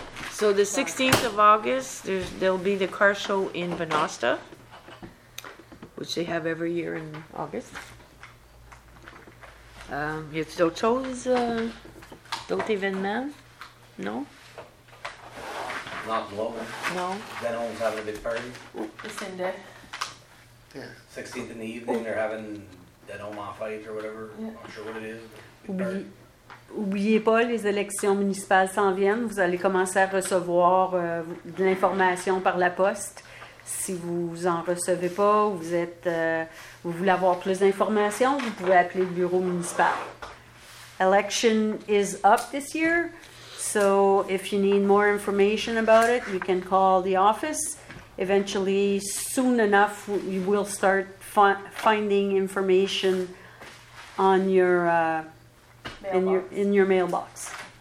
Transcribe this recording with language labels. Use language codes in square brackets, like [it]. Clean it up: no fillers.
[en] So, the 16th of August, there'll be the car show in Venosta, which they have every year in August. [fr] Y a-t-il d'autres choses, d'autres événements? Non? [en] Not global. No. Then Owen's having a big party. It's in there. Yeah. 16th in the evening, they're having Den Omaha fight or whatever. Yeah. I'm not sure what it is. [fr] Oubliez pas, les élections municipales s'en viennent. Vous allez commencer à recevoir de l'information par la poste. Si vous en recevez pas ou vous êtes vous voulez avoir plus d'informations, vous pouvez appeler le bureau municipal. [en] Election is up this year, so if you need more information about it, you can call the office. Eventually, soon enough, you will start finding information on your in your mailbox.